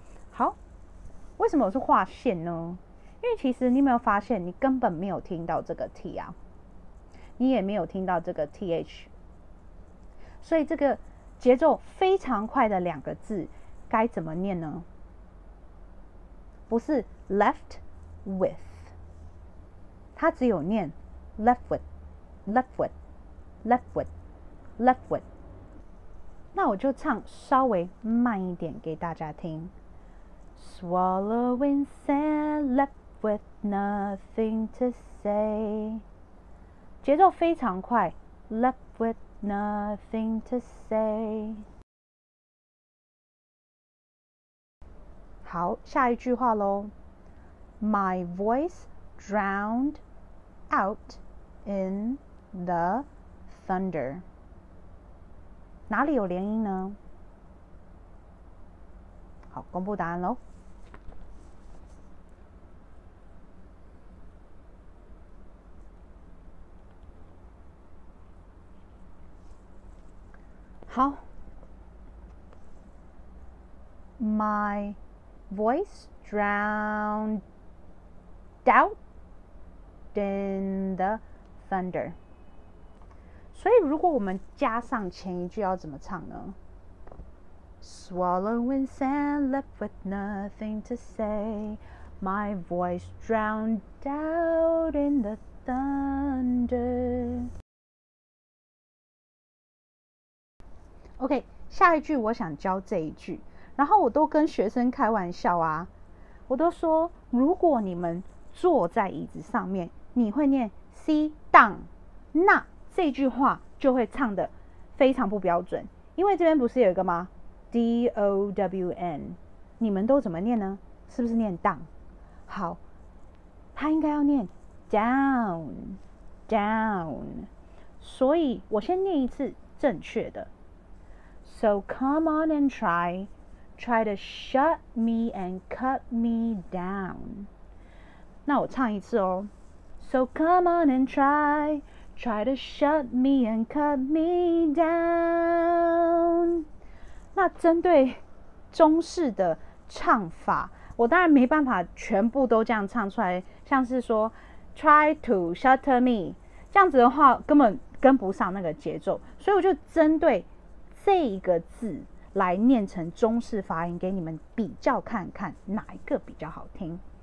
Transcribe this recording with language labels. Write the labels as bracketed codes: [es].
[zh] 好，为什么是划线呢？因为其实你没有发现你根本没有听到这个 T 啊，你也没有听到这个 TH， 所以这个节奏非常快的两个字该怎么念呢？不是 [en] left with， [zh] 它只有念 [en] left with left with left with left with。 [zh] 那我就唱稍微慢一点给大家听。 [en] Swallowing sand left with nothing to say， [zh] 节奏非常快， [en] left withNothing to say。 [zh] 好，下一句话咯。 [en] My voice drowned out in the thunder， [zh] 哪里有连音呢？好，公布答案咯。好， [en] My voice drowned out in the thunder。 [zh] 所以如果我们加上前一句要怎么唱呢？ [en] Swallowing sand left with nothing to say, my voice drowned out in the thunder。 [zh] OK， 下一句我想教这一句，然后我都跟学生开玩笑啊，我都说，如果你们坐在椅子上面，你会念 [en] sit down， [zh] 那这句话就会唱得非常不标准。因为这边不是有一个吗？D-O-W-N， 你们都怎么念呢？是不是念 down？好，它应该要念 down， down。所以我先念一次正确的。 [en] So come on and try, try to shut me and cut me down. [zh] 那我唱一次哦。 [en] So come on and try, try to shut me and cut me down. [zh] 那针对中式的唱法，我当然没办法全部都这样唱出来，像是说 [en] try to shut me， [zh] 这样子的话根本跟不上那个节奏，所以我就针对这个字来念成中式发音给你们比较看看哪一个比较好听。